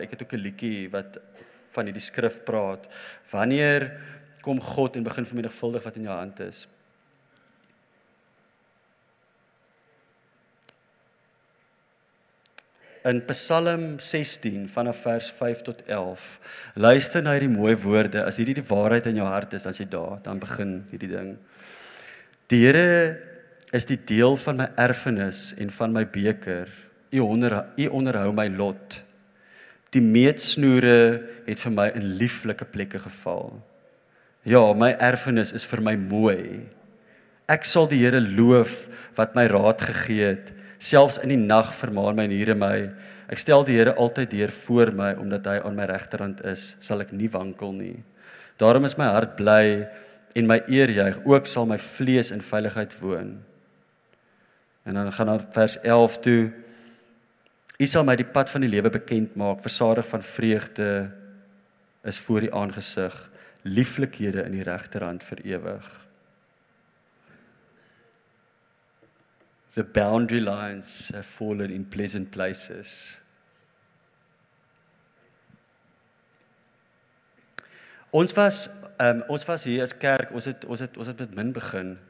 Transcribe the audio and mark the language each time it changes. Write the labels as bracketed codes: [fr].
[af] Ek het ook 'n liedjie wat van hierdie skrif praat. Wanneer kom God en begin vermenigvuldig wat in jou hand is? In Psalm 16 vanaf vers 5 tot 11. Luister na hierdie mooi woorde. As hierdie die waarheid in jou hart is, as jy daar, dan begin hierdie ding. Die Here is die deel van my erfenis en van my beker. U onderhou my lot. Die meetsnoere het vir my in lieflike plekke geval. Ja, my erfenis is vir my mooi. Ek sal die Here loof wat my raad gegee het. Selfs in die nag vermaar my niere my. Ek stel die Here altyd deur voor my, omdat hy aan my regterhand is, sal ek nie wankel nie. Daarom is my hart bly en my eer juig. Ook sal my vlees in veiligheid woon. En dan gaan daar vers 11 toe. U sal my die pad van die lewe bekend maak, versadig van vreugde is voor die aangesig, lieflikhede in die regterhand vir ewig. [en] The boundary lines have fallen in pleasant places. [af] Ons was hier as kerk, ons het met min begin.